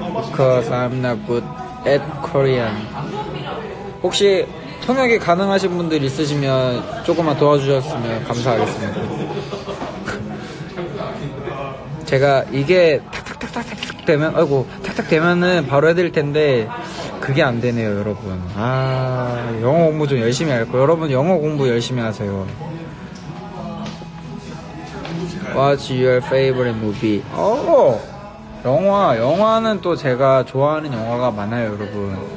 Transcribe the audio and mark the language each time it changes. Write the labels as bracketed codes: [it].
[en] Because I'm not good at Korean. [ko] 혹시 통역이 가능하신 분들 있으시면 조금만 도와주셨으면 감사하겠습니다. 제가 이게 탁탁탁탁탁 되면 아이고 탁. 딱딱 되면은 바로 해드릴 텐데 그게 안 되네요 여러분. 아 영어 공부 좀 열심히 할 거. 여러분 영어 공부 열심히 하세요. [en] What's your favorite movie? [ko] 오 영화. 영화는 또 제가 좋아하는 영화가 많아요 여러분.